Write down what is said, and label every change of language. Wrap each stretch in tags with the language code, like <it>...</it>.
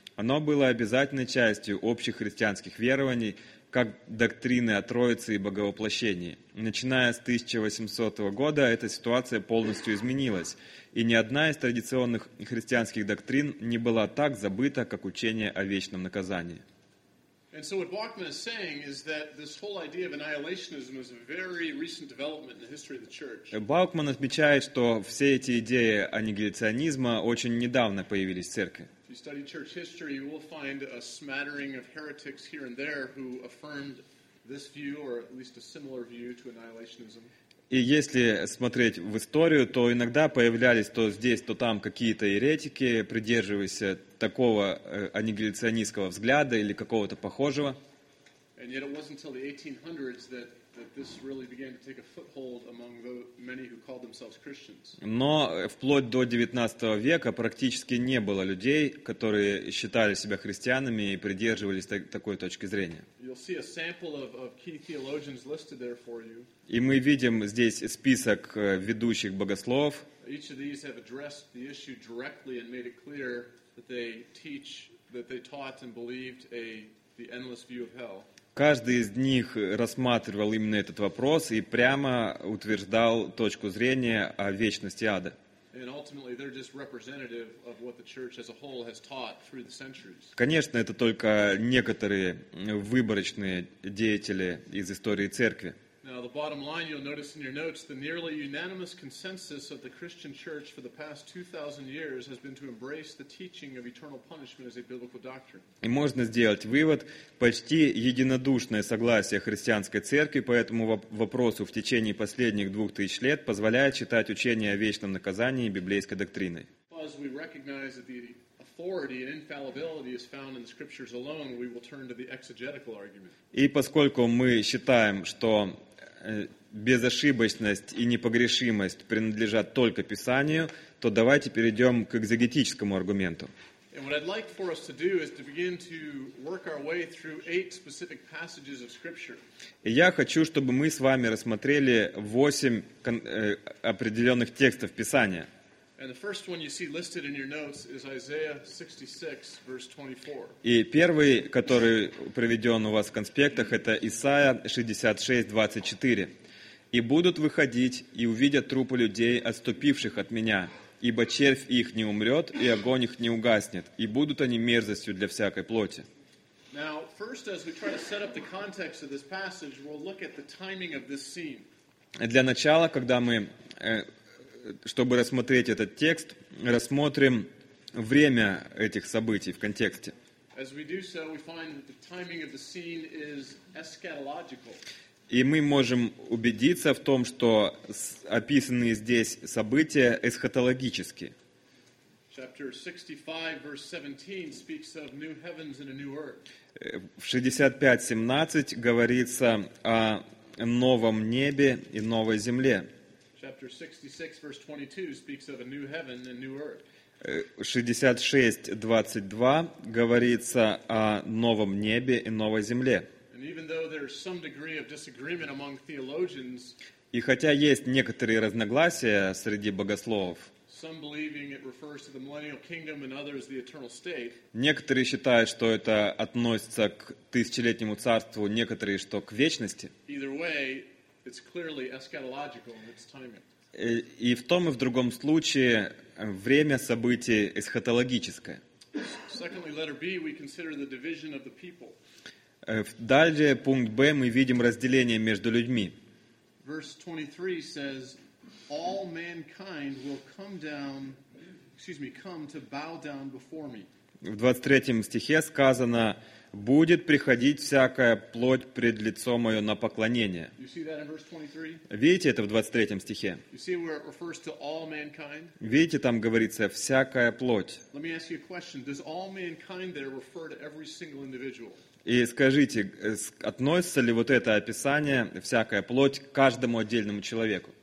<ru>Оно было обязательной частью общих христианских верований, как доктрины о Троице и Боговоплощении. Начиная с 1800 года, эта ситуация полностью изменилась, и ни одна из традиционных христианских доктрин не была так забыта, как учение о вечном наказании.</ru> <en>And so what Bachman is saying is that this whole idea of annihilationism is a very recent development in the history of the church.</en> <ru>Баукман отмечает, что все эти идеи аннигиляционизма очень недавно появились в церкви.</ru> <en>If you study church history, you will find a smattering of heretics here and there who affirmed this view, or at least a similar view to annihilationism.</en> <ru>И если смотреть в историю, то иногда появлялись то здесь, то там какие-то еретики, придерживаясь такого аннигиляционистского взгляда или какого-то похожего.</ru> <en>And yet it wasn't until the 1800s that this really began to take a foothold among the many who called themselves Christians.</en> <ru>Но вплоть до 19 века практически не было людей, которые считали себя христианами и придерживались такой точки зрения.</ru> <en>You'll see a sample of key theologians listed there for you.</en> <ru>И мы видим здесь список ведущих богословов.</ru> <en>Each of these have addressed the issue directly and made it clear that they taught and believed the endless view of hell.</en> <ru>Каждый из них рассматривал именно этот вопрос и прямо утверждал точку зрения о вечности ада. Конечно, это только некоторые выборочные деятели из истории церкви.</ru> <en>Now, the bottom line, you'll notice in your notes, the nearly unanimous consensus of the Christian church for the past 2,000 years has been to embrace the teaching of eternal punishment as a biblical doctrine.</en> <ru>И можно сделать вывод, почти единодушное согласие христианской церкви по этому вопросу в течение последних 2000 лет позволяет считать учение о вечном наказании библейской доктриной.</ru> <en>As we recognize that the authority and infallibility is found in the scriptures alone, we will turn to the exegetical argument.</en> <ru>И поскольку мы считаем, что безошибочность и непогрешимость принадлежат только Писанию, то давайте перейдем к экзегетическому аргументу.</ru> <en>And what I'd like for us to do is to begin to work our way through 8 specific passages of Scripture.</en> <ru>Я хочу, чтобы мы с вами рассмотрели 8 определенных текстов Писания.</ru> <en>And the first one you see listed in your notes is Isaiah 66, verse 24.</en> <ru>И первый, который приведен у вас в конспектах, это Исаия 66, 24. «И будут выходить, и увидят трупы людей, отступивших от меня, ибо червь их не умрет, и огонь их не угаснет, и будут они мерзостью для всякой плоти».</ru> <en>Now, first, as we try to set up the context of this passage, we'll look at the timing of this scene.</en> <ru>Для начала, когда мы, чтобы рассмотреть этот текст, рассмотрим время этих событий в контексте.</ru> <en>As we do so, we find that the timing of the scene is eschatological.</en> <ru>И мы можем убедиться в том, что описанные здесь события эсхатологически.</ru> <en>Chapter 65, verse 17 speaks of new heavens and a new earth.</en> <ru>В 65:17 говорится о новом небе и новой земле.</ru> <en>Chapter 66, verse 22 speaks of a new heaven and new earth.</en> <ru>66:22 говорится о новом небе и новой земле.</ru> <en>And even though there is some degree of disagreement among theologians,</en> <ru>и хотя есть некоторые разногласия среди богословов,</ru> <en>some believing it refers to the millennial kingdom and others the eternal state.</en> <ru>Некоторые считают, что это относится к тысячелетнему царству, некоторые, что к вечности.</ru> <en>Either way, it's clearly eschatological in its timing.</en> <ru>И в том и в другом случае время событий эсхатологическое.</ru> <en>Secondly, letter B, we consider the division of the people.</en> <ru>Далее, пункт Б, мы видим разделение между людьми.</ru> <en>Verse 23 says, all mankind will come down, come to bow down before me.</en> <ru>В 23 стихе сказано, будет приходить всякая плоть пред лицо мое на поклонение.</ru> <en>You see that in verse 23?</en> <ru>Видите это в 23 стихе?</ru> <en>You see where it refers to all mankind?</en> <ru>Видите, там говорится всякая плоть.</ru> <en>Let me ask you a question. Does all mankind there refer to every single individual?</en> <ru>И скажите, относится ли вот это описание всякая плоть к каждому отдельному человеку?</ru>